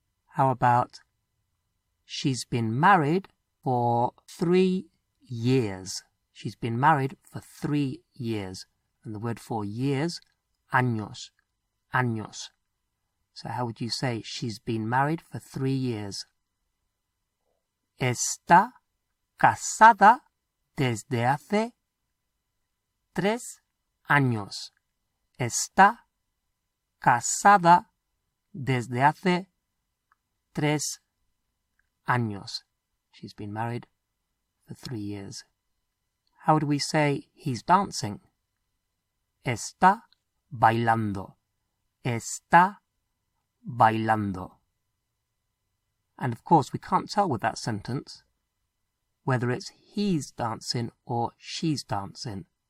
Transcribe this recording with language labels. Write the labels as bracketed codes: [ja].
[en] How about she's been married for 3 years? She's been married for 3 years. And the word for years, años. Años. So how would you say she's been married for 3 years? [es] Está casada desde hace 3 años. Está casada desde hace 3 años. [en] She's been married for 3 years. How would we say he's dancing? [es] Está bailando. Está bailando. [en] And of course, we can't tell with that sentence whether it's he's dancing or she's dancing.